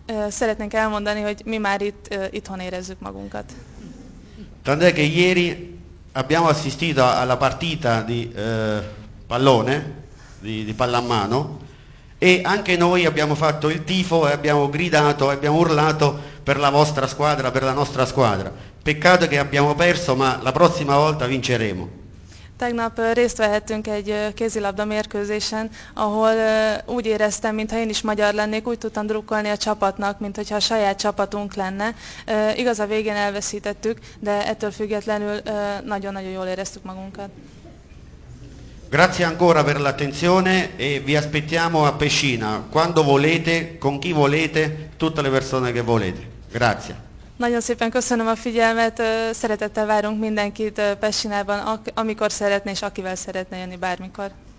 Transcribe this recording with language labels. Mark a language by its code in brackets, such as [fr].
[hu] Szeretnénk elmondani, hogy mi már itt itthon érezzük magunkat. [it] Tant'è che ieri abbiamo assistito alla partita di pallone, di pallamano, e anche noi abbiamo fatto il tifo e abbiamo gridato, abbiamo urlato per la vostra squadra, per la nostra squadra. Peccato che abbiamo perso, ma la prossima volta vinceremo. [hu] Tegnap részt vehettünk egy kézilabda mérkőzésen, ahol úgy éreztem, mintha én is magyar lennék, úgy tudtam drukkolni a csapatnak, mintha a saját csapatunk lenne. Igaz, a végén elveszítettük, de ettől függetlenül nagyon-nagyon jól éreztük magunkat. [it] Grazie ancora per l'attenzione e vi aspettiamo a Pescina, quando volete, con chi volete, tutte le persone che volete. Grazie. [hu] Nagyon szépen köszönöm a figyelmet, szeretettel várunk mindenkit Pescinában, amikor szeretné és akivel szeretne jönni bármikor.